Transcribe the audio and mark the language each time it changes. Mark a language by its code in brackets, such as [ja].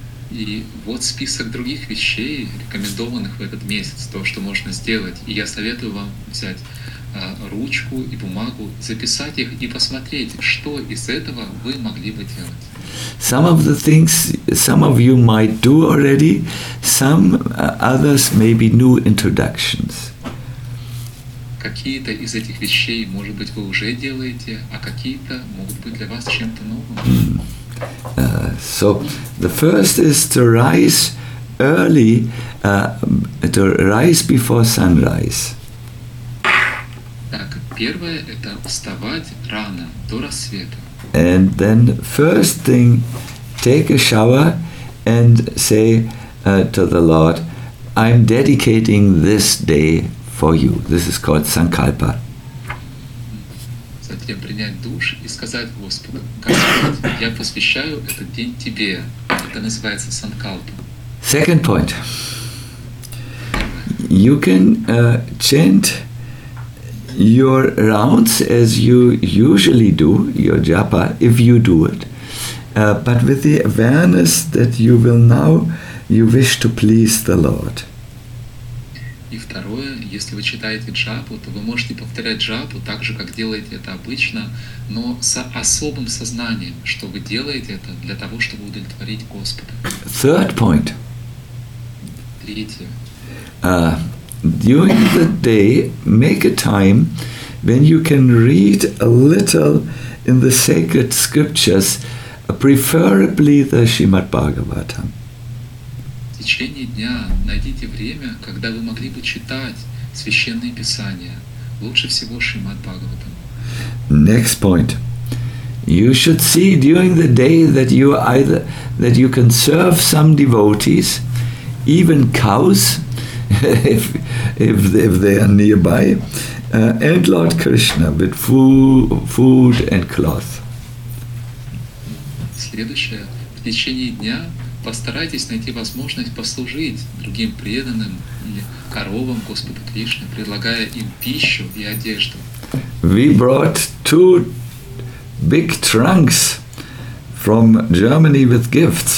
[ru] И вот список других вещей, рекомендованных в этот месяц, то, что можно сделать, и я советую вам взять ручку и бумагу, записать их и посмотреть, что из этого вы могли бы делать. [en] Some of the things some of you might do already, some others may be new introductions. [ru] Какие-то из этих вещей, может быть, вы уже делаете, а какие-то могут быть для вас чем-то новым. [en] So the first is to rise early, to rise before sunrise. [ru] Первое – это вставать рано, до рассвета. [en] And then first thing, take a shower and say to the Lord, I'm dedicating this day for you. This is called Sankalpa. [ru] Затем принять душ и сказать Господу, Господь, я посвящаю этот день Тебе. это называется санкалпа. [en] Second point. You can chant your rounds as you usually do, your japa, if you do it, but with the awareness that you will now, you wish to please the Lord. [ru] И второе, если вы читаете джапу, то вы можете повторять джапу так же, как делаете это обычно, но с особым сознанием, что вы делаете это для того, чтобы удовлетворить Господа. [en] Third point. [ru] Третье. [en] During the day, make a time when you can read a little in the sacred scriptures, preferably the Shrimad Bhagavatam. [ru] В течение дня найдите время, когда вы могли бы читать священные писания, лучше всего Шримад Бхагаватам. [en] Next point. You should see during the day that you either that you can serve some devotees, even cows, if they are nearby, and Lord Krishna with food and cloth. [ru] Следующее. В течение дня постарайтесь найти возможность послужить другим преданным или коровам Господу Кришне, предлагая им пищу и одежду. [en] We brought two big trunks from Germany with gifts.